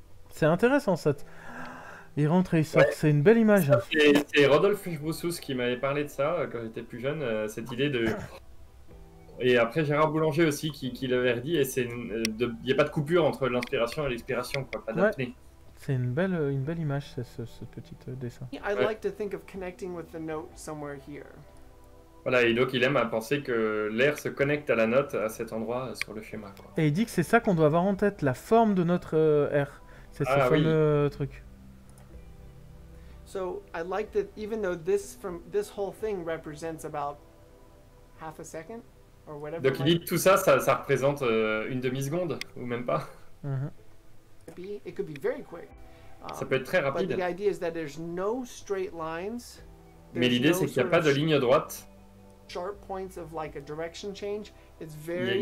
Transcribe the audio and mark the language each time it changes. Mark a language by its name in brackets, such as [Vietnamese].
[French] C'est intéressant, ça. Il rentre et il sort, ouais. C'est une belle image. C'est Rodolphe Brousseus qui m'avait parlé de ça quand j'étais plus jeune, cette idée de... Et après, Gérard Boulanger aussi qui l'avait redit, et il n'y a pas de coupure entre l'inspiration et l'expiration, quoi, pas d'apnée. Ouais. C'est une belle image, ce petit dessin. [English] I'd like to think of connecting with the note somewhere here. [French] Voilà, et donc il aime à penser que l'air se connecte à la note à cet endroit sur le schéma, quoi. Et il dit que c'est ça qu'on doit avoir en tête, la forme de notre air. C'est ce fameux truc. [English] So I like that even though this whole thing represents about half a second. [French] Donc il dit tout ça, ça représente une demi-seconde, ou même pas. Ça peut être très rapide. Mais l'idée, c'est qu'il n'y a pas de ligne droite. Il